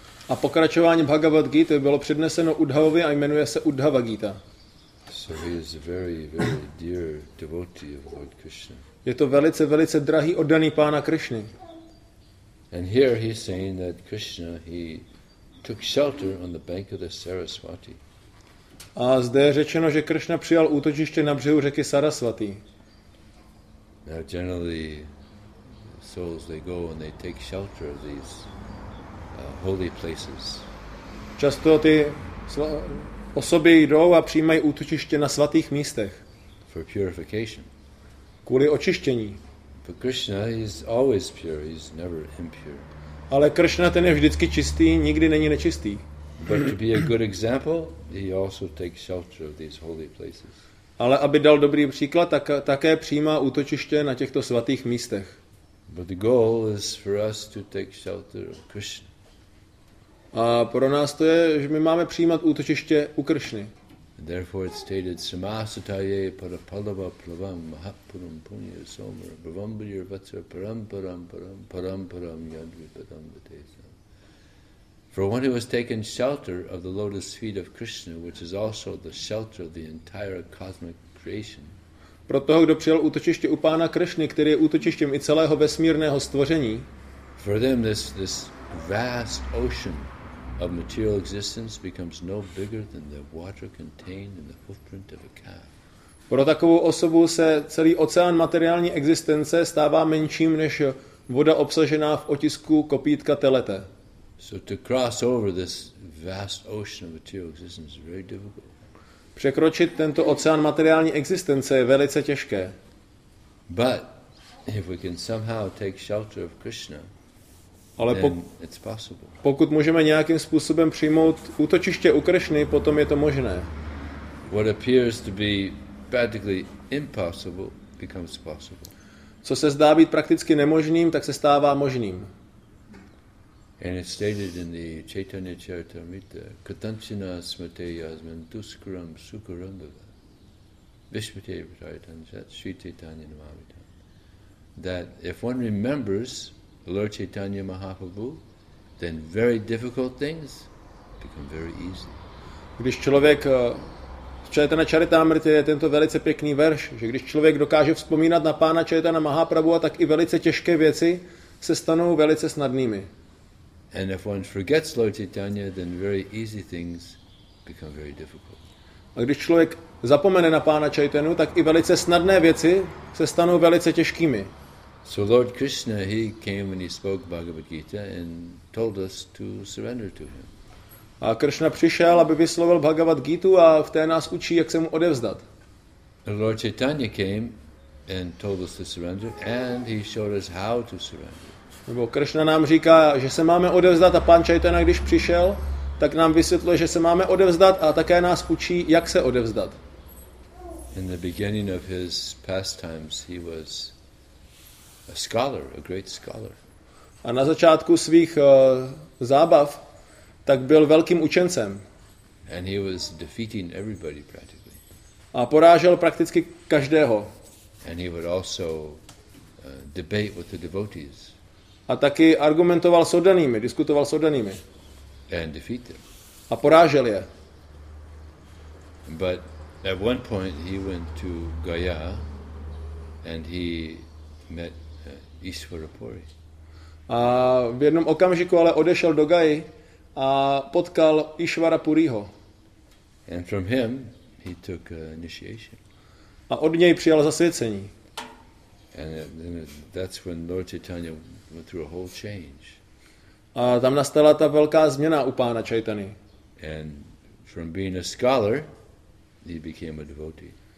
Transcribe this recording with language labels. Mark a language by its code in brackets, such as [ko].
[cs] A pokračování Bhagavad Gita bylo předneseno Uddhavovi a jmenuje se Uddhava Gita. [en] So he is a very, very dear devotee of Lord Krishna. [cs] Je to velice, velice drahý oddaný pána Krishny. [en] And here he is saying that Krishna, he took shelter on the bank of the Saraswati. [cs] A zde je řečeno, že Kršna přijal útočiště na břehu řeky Sarasvatý. [en] Now generally souls they go and they take shelter of these holy places. [cs] Často ty osoby jdou a přijímají útočiště na svatých místech. [en] For purification. [cs] Kvůli očištění. [en] But Krishna is always pure, he's never impure. [cs] Ale Kršna ten je vždycky čistý, nikdy není nečistý. [en] But to be a good example, he also takes shelter of these holy places. [cs] Ale aby dal dobrý příklad, tak také přijímá útočiště na těchto svatých místech. [en] But the goal is for us to take shelter of Krishna. [cs] A pro nás to je, že my máme přijímat útočiště u Kršny. [en] Therefore it's stated, [sa] samasataye parapalava plavam mahapuram punya somar bhavambhir vatsar paramparam param param param yadvipadam vatesam. [en] For one who has taken shelter of the lotus feet of Krishna, which is also the shelter of the entire cosmic creation. [cs] Pro toho, kdo přijal útočiště u pána Krishny, který je útočištěm i celého vesmírného stvoření. [en] For them, this vast ocean of material existence becomes no bigger than the water contained in the footprint of a calf. [cs] Pro takovou osobu se celý oceán materiální existence stává menším než Voda obsažená v otisku kopítka telete. [en] So to cross over this vast ocean of material existence is very difficult. [cs] Překročit tento oceán materiální existence je velice těžké. [en] But if we can somehow take shelter of Krishna, [cs] ale [en] it's possible. [cs] Pokud můžeme nějakým způsobem přijmout útočiště u Krishny, potom je to možné. [en] What appears to be practically impossible becomes possible. [cs] Co se zdá být prakticky nemožným, tak se stává možným. [en] And it's stated in the Chaitanya Charitamrita, [sa] Katanchina smate yasmin tuskuram sukuram bhava Vishvate Vrayatanjat Sri Chaitanya Namamita, [en] that if one remembers Lord Chaitanya Mahaprabhu, then very difficult things become very easy. [cs] Když člověk Chaitanya Charitamrita je tento velice pěkný verš, že když člověk dokáže vzpomínat na pána Chaitanya Mahaprabhu, tak i velice těžké věci se stanou velice snadnými. [en] And if one forgets Lord Chaitanya, then very easy things become very difficult. [cs] A když člověk zapomene na pána Chaitanyu, tak i velice snadné věci se stanou velice těžkými. [en] So Lord Krishna, he came and he spoke Bhagavad Gita and told us to surrender to him. [cs] A Krishna přišel, aby vyslovil Bhagavad Gitu a v té nás učí, jak se mu odevzdat. [en] Lord Chaitanya came and told us to surrender and he showed us how to surrender. [cs] Nebo Krishna nám říká, že se máme odevzdat a pán Chaitanya, když přišel, tak nám vysvětlil, že se máme odevzdat a také nás učí, jak se odevzdat. [en] In the beginning of his pastimes, he was a scholar, a great scholar. [cs] A na začátku svých zábav, tak byl velkým učencem. [en] And he was defeating everybody practically. [cs] A porážel prakticky každého. [en] And he would also debate with the devotees. [cs] A taky argumentoval s oddanými, diskutoval s oddanými. [en] And defeated. [cs] A porážel je. [en] But at one point he went to Gaya and he met Ishvara Puri. [cs] A v jednom okamžiku ale odešel do Gaji a potkal Ishvara Puriho. [en] And from him he took initiation. [cs] A od něj přijal zasvěcení. [en] And then that's when Lord Chaitanya went through a whole change. [cs] A tam nastala ta velká změna u pána Chaitany. [en] And from being a scholar, he became a devotee.